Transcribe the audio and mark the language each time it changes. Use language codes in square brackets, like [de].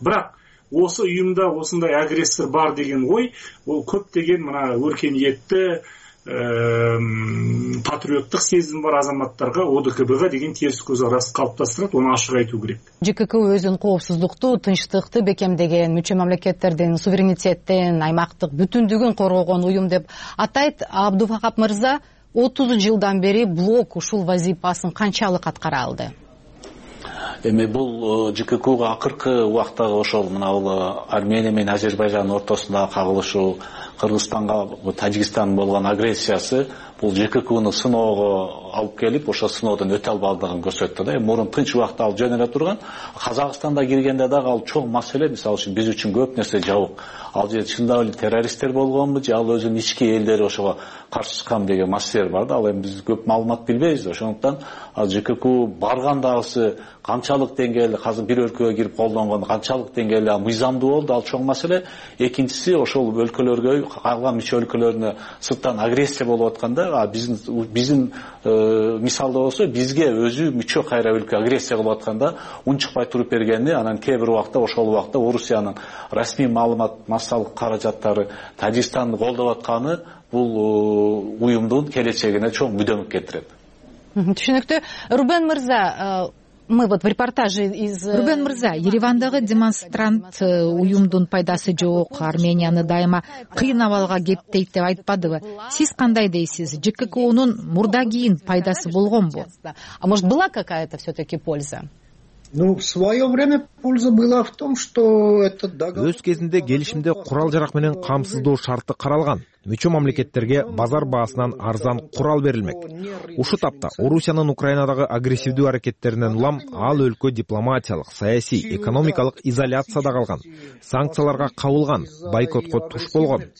[kk] Бірақ осы ұйымда осындай агрессор бар деген ой, ол көптеген мына өркениетті патриоттық сезім бар азаматтарға ОДКБ-ға деген теріс көзқарас қалыптастырады, оны ашық айту керек. ЖКК өзін қауіпсіздікті, тыныштықты бекемдеген, мүше мемлекеттерден, суверенитеттен, аймақтық бүтіндігін қорғаған ұйым деп атайды. Абдуфахат Мырза 30 жылдан бері блок ұшыл вазипасын қаншалық атқара алды? [ky] Эми бул ЖККга акыркы убактагы ошол мына Армения менен Азербайжан ортосундагы кагылышуу, Кыргызстанга Тажикстан болгон агрессиясы бул ЖККны сыноого алып келип, ошол сыноодон өтө албадыгын көрсөттү да. Эми мурун тынч убакта ал жөн эле турган, Казакстанда киргенде дагы ал чоң маселе, мисалы үчүн биз үчүн көп нерсе жабык. Ал жерде чындап эле террористтер болгонбу же ал өзүнүн ички элдери ошого каршы чыккан деген маселелер бар да. Ал эми биз көп маалымат билбейбиз, ошондуктан ал ЖКК баргандагысы канчалык деңгээлде, азыр бир өлкөгө кирип колдонгон канчалык деңгээлде мыйзамдуу болду, ал чоң маселе. Экинчиси, ошол өлкөлөргө, калган мүчө өлкөлөрүнө сырттан агрессия болуп атканда, биздин мисалда болсо, бизге өзү мүчө кайра өлкө агрессия кылып атканда унчукпай туруп бергени, анан кээ бир убакта, ошол убакта Орусиянын расмий маалымат массалык каражаттары Тажикстанды колдоп атканы бул уюмдун келечегине чоң мүдөмүк кетирет. Түшүнүктүү. [ru] Рубен Мырза, мы вот в репортаже из [ky] Рубен Мырза, Еревандагы демонстрант уюмдун пайдасы жок, Арменияны дайыма кыйнабалга кептейт деп айтпадыбы? Сиз кандай дейсиз? ЖККнун мурда кийин пайдасы болгонбу? [ru] А может, была какая-то всё-таки польза? Ну, в своё время польза была в том, что этот договор. [ky] Өз кезинде келишимде курал-жарак менен камсыздоо шарты каралган. Мүчө мамлекеттерге базар баасынан арзан курал берилмек. Ушу тапта Орусиянын Украинадагы агрессивдүү аракеттеринен улам ал өлкө дипломатиялык, саясий, экономикалык изоляцияда калган, санкцияларга кабылган, бойкотко туш болгон.